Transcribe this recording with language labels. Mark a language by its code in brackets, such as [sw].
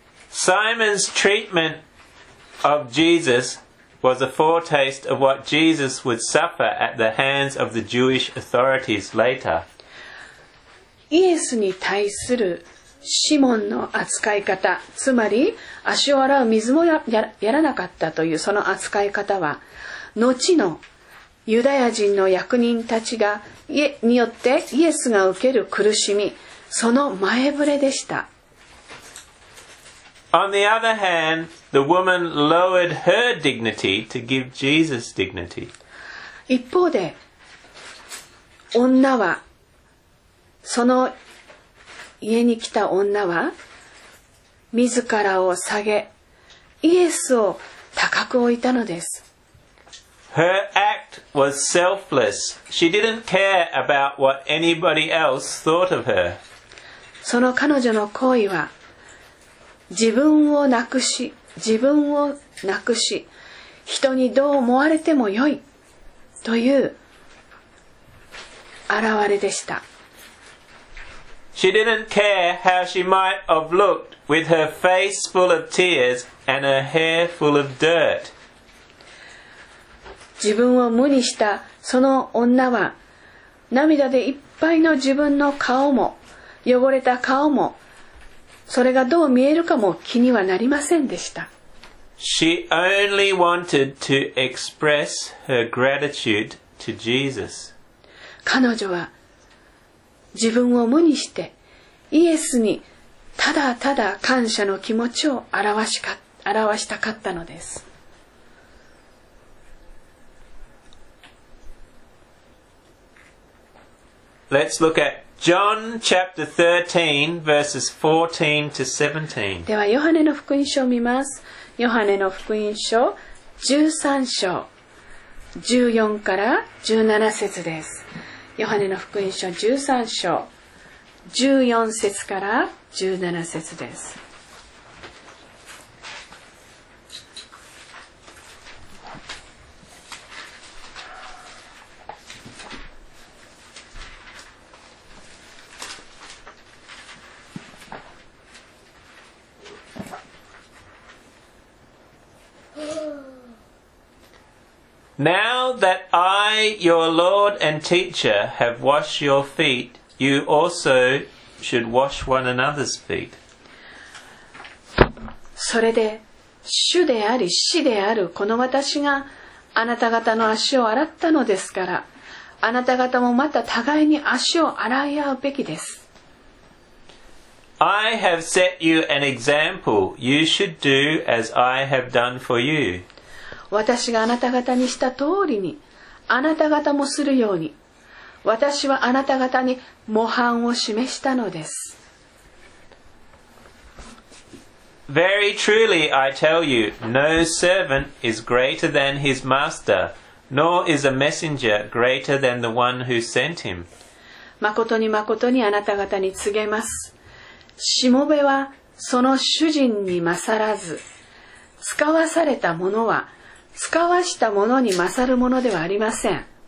[en] Simon's treatment of Jesus was a foretaste of what Jesus would suffer at the hands of the Jewish authorities later. [ja] イエスに対するシモンの扱い方、つまり足を洗う水も やらなかったというその扱い方は、後のユダヤ人の役人たちがによってイエスが受ける苦しみ、その前触れでした。 [en] On the other hand, the woman lowered her dignity to give Jesus dignity. [ja] 一方で、女は、その家に来た女は、自らを下げ、イエスを高く置いたのです。 [en] Her act was selfless. She didn't care about what anybody else thought of her. [ja] その彼女の行為は、自分をなくし、自分をなくし、人にどう思われてもよいという現れでした。 [en] She didn't care how she might have looked with her face full of tears and her hair full of dirt. [ja] 自分を無にしたその女は、涙でいっぱいの自分の顔も、汚れた顔も、それがどう見えるかも気にはなりませんでした。 [en] She only wanted to express her gratitude to Jesus. [ja] 彼女は自分を無にしてイエスにただただ感謝の気持ちを表したかったのです。 [en] Let's look at John chapter 13, verses 14 to 17. [ja] では、ヨハネの福音書を見ます。ヨハネの福音書13章、14から17節です。ヨハネの福音書13章、14節から17節です。 [en] Now that I, your Lord and teacher, have washed your feet, you also should wash one another's feet. [ja] それで、主であり、師であるこの私があなた方の足を洗ったのですから、あなた方もまた互いに足を洗い合うべきです。 [en] I have set you an example. You should do as I have done for you. [ja] 私があなた方にした通りに、あなた方もするように、私はあなた方に模範を示したのです。 [en] Very truly I tell you, no servant is greater than his master, nor is a messenger greater than the one who sent him. [ja] 誠に誠にあなた方に告げます。しもべはその主人に勝らず、使わされた者は使わしたものに勝るものではありません。